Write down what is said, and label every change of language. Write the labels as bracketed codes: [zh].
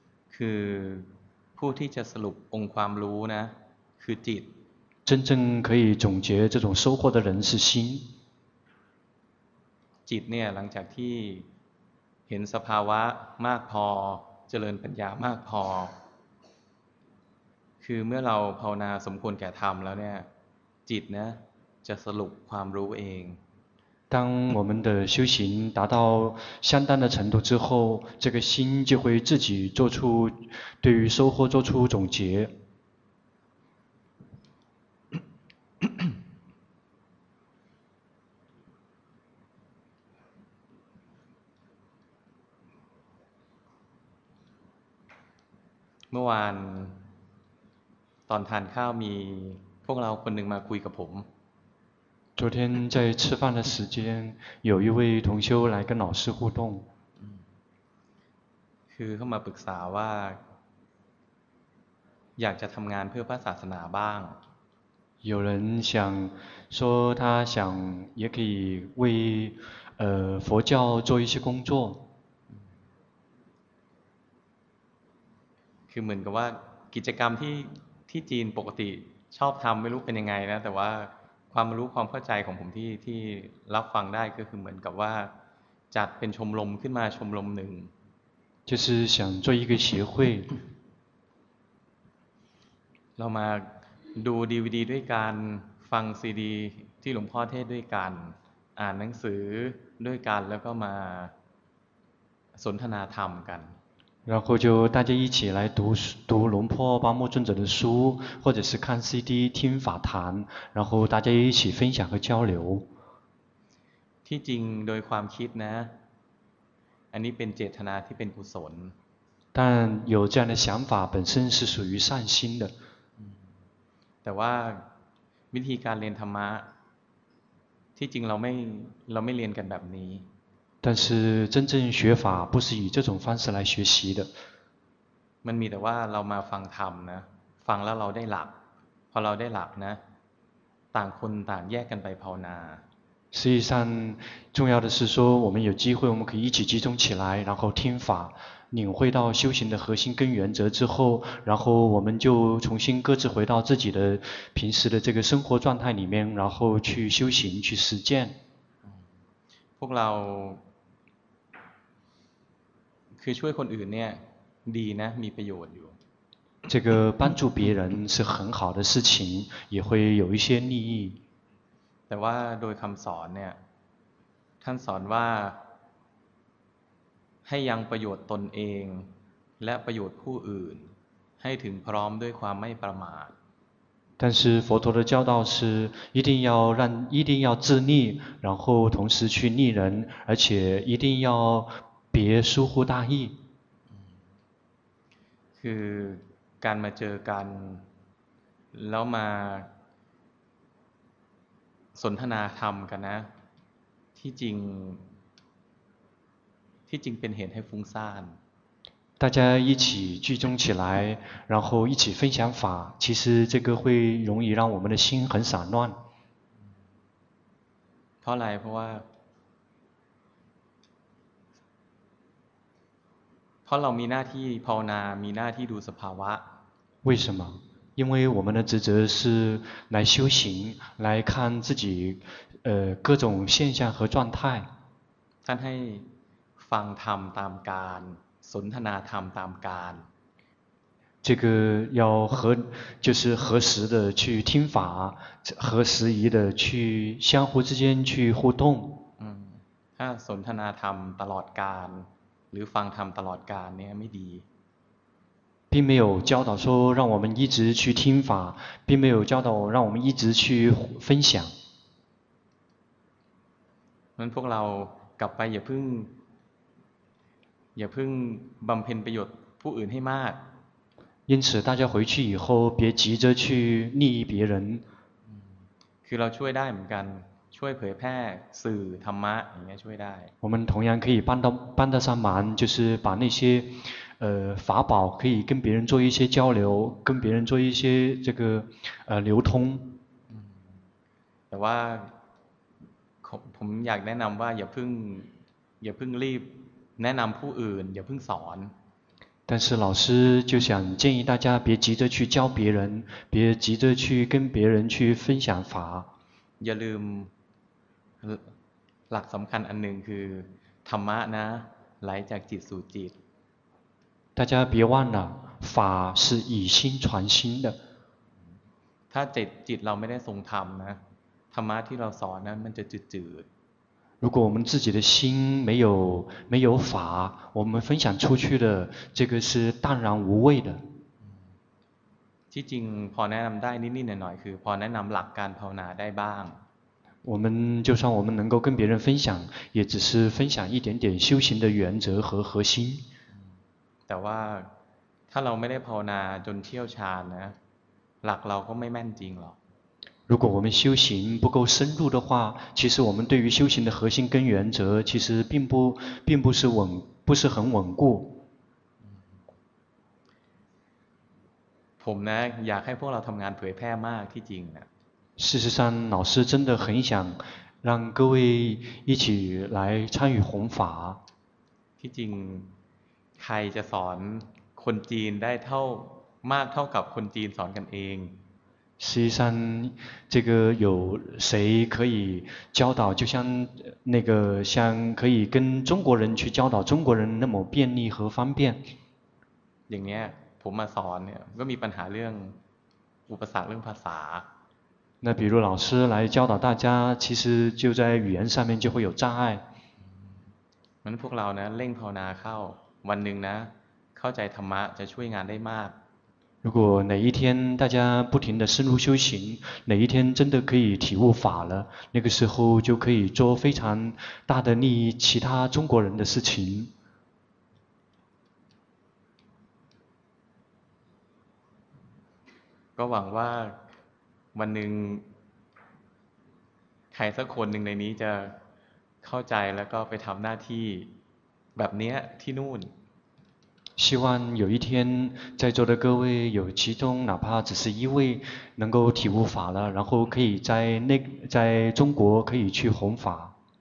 [th] คือผู้ที่จะสรุปองค์ความรู้นะคือจิต [zh] 真正可以总结这种收获的人是心 [th] จิตเนี่ยหลังจากที่เห็นสภาวะมากพอเจริญปัญญามากพอคือเมื่อเราภาวนาสมควรแก่ธรรมแล้วเนี่ยจิตนะจะสรุปความรู้เอง [zh] 当我们的修行达到相当的程度之后这个心就会自己做出对于收获做出总结 [th] เมื่อวานตอนทานข้าวมีพวกเราคนหนึ่งมาคุยกับผม [zh] 昨天在吃饭的时间有一位同修来跟老师互动 [th] คือเข้ามาปรึกษาว่าอยากจะทำงานเพื่อพระศาสนาบ้าง [zh] 有人想说他想也可以为佛教做一些工作 [th] คือเหมือนกับว่ากิจกรรมที่จีนปกติชอบทำไม่รู้เป็นยังไงนะแต่ว่าความรู้ความเข้าใจของผมที่รับฟังได้ก็คือเหมือนกับว่าจัดเป็นชมรมขึ้นมาชมรมหนึ่ง [zh] 就是想做一个协会 [th] เรามาดูดีวีดีด้วยการฟังซีดีที่หลวงพ่อเทศด้วยกันอ่านหนังสือด้วยกันแล้วก็มาสนทนาธรรมกัน [zh] 然后就大家一起来读读龙坡巴木尊者的书，或者是看 CD 听法谈，然后大家一起分享和交流。 [th] ที่จริงโดยความคิดนะอันนี้เป็นเจตนาที่เป็นกุศล [zh] 但有这样的想法本身是属于善心的 [th] แต่ว่าวิธีการเรียนธรรมะที่จริงเราไม่เรียนกันแบบนี้ [zh] 但是真正学法不是以这种方式来学习的。 [th] มันมีแต่ว่าเรามาฟังธรรมนะฟังแล้วเราได้หลักพอเราได้หลักนะต่างคนต่างแยกกันไปภาวนา [zh] 实际上重要的是说我们有机会我们可以一起集中起来然后听法领会到修行的核心跟原则之后然后我们就重新各自回到自己的平时的这个生活状态里面然后去修行去实践 [th] พวกเราคือช่วยคนอื่นเนี่ยดีนะมีประโยชน์อยู่ [zh] 这个帮助别人是很好的事情也会有一些利益 [th] แต่ว่าโดยคำสอนเนี่ยท่านสอนว่าให้ยังประโยชน์ตนเองและประโยชน์ผู้อื่นให้ถึงพร้อมด้วยความไม่ประมาท [zh] 但是佛陀的教导是一定要自利，然后同时去利人，而且一定要别疏忽大意。 [th] คือการมาเจอกันแล้วมาสนทนาธรรมกันนะที่จริงเป็นเหตุให้ฟุ้งซ่าน [zh] 大家一起聚众起来，然后一起分享法，其实这个会容易让我们的心很散乱。 [th] เพราะอะไรเพราะว่าเพราะเรามีหน้าที่ภาวนามีหน้าที่ดูสภาวะ [zh] 为什么？因为我们的职责是来修行，来看自己各种现象和状态。 [th] ท่านให้ฟังธรรมตามการสนทนาธรรมตามการ [zh] 这个要合就是合时的去听法合时宜的去相互之间去互动 [th] ถ้าสนทนาธรรมตลอดการหรือฟังธรรมตลอดการเนี่ยไม่ดี [zh] 并没有教导说让我们一直去听法并没有教导让我们一直去分享 [th] เหมือนพวกเรากลับไปอย่าเพิ่งบำเพ็ญประโยชน์ผู้อื่นให้มาก [zh] 因此大家回去以后别急着去利益别人 [th] คือเราช่วยได้เหมือนกันช่วยเผยแพร่สื่อธรรมะอย่างเงี้ยช่วยได้ [zh] 我们同样可以帮得上忙就是把那些法宝可以跟别人做一些交流跟别人做一些这个流通 [th] แต่ว่าผมอยากแนะนำว่าอย่าเพิ่งรีบแนะนำผู้อื่นอย่าเพิ่งสอน [zh] 但是老师就想建议大家别急着去教别人别急着去跟别人去分享法 [th] อย่าลืมหลักสำคัญอันหนึ่งคือธรรมะนะไหลจากจิตสู่จิต [zh] 大家别忘了法是以心传心的 [th] ถ้าจิตเราไม่ได้ทรงธรรมนะธรรมะที่เราสอนนั้นมันจะจืด [zh] 如果我们自己的心没有法，我们分享出去的这个是淡然无味的。其实， [th] พอแนะนำได้นิดๆหน่อยๆคือพอแนะนำหลักการภาวนาได้บ้าง。 [zh] 我们就算我们能够跟别人分享，也只是分享一点点修行的原则和核心。 [th] แต่ว่าถ้าเราไม่ได้ภาวนาจนเชี่ยวชาญนะหลักเราก็ไม่แม่นจริงหรอก。 [zh] 如果我们修行不够深入的话，其实我们对于修行的核心跟原则，其实并不是很稳固。 [th] ผมนะอยากให้พวกเราทำงานเผยแพร่มากที่จริงนะ。 [zh] 事实上，老师真的很想让各位一起来参与弘法。 [th] ที่จริงใครจะสอนคนจีนได้เท่ามากเท่ากับคนจีนสอนกันเอง [zh] 实际上这个有谁可以教导就像那个像可以跟中国人去教导中国人那么便利和方便 [th] อย่างเนี้ยผมมาสอนเนี่ยก็มีปัญหาเรื่องอุปสรรคเรื่องภาษา [zh] 那比如老师来教导大家其实就在语言上面就会有障碍 [th] มันพวกเรานะเร่งภาวนาเข้าวันหนึ่งนะเ ข้าใจธรรมะจะช่วยงานได้มาก [zh] 如果哪一天大家不停地深入修行，哪一天真的可以体悟法了，那个时候就可以做非常大的利益其他中国人的事情。 [th] ก็หวังว่าวันหนึ่งใครสักคนหนึ่งในนี้จะเข้าใจแล้วก็ไปทำหน้าที่แบบนี้ที่นู่น [zh] 希望有一天在座的各位有其中哪怕只是一位能够体悟法了然后可以在那在中国可以去弘法